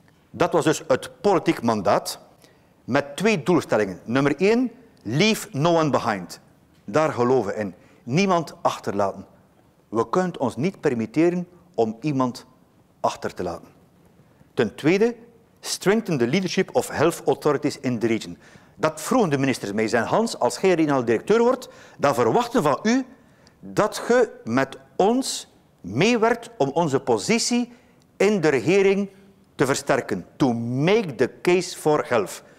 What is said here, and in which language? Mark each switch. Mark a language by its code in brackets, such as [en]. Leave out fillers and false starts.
[nl] Dat was dus het politiek mandaat. Met 2 doelstellingen. Nummer 1, [en] leave no one behind. [nl] Daar geloven we in. Niemand achterlaten. We kunnen het ons niet permitteren om iemand achter te laten. Ten tweede, [en] strengthen the leadership of health authorities in the region. [nl] Dat vroegen de ministers mij. Zijn Hans, als jij regionaal directeur wordt, dan verwachten van u dat je met ons meewerkt om onze positie in de regering te versterken. [en] To make the case for health.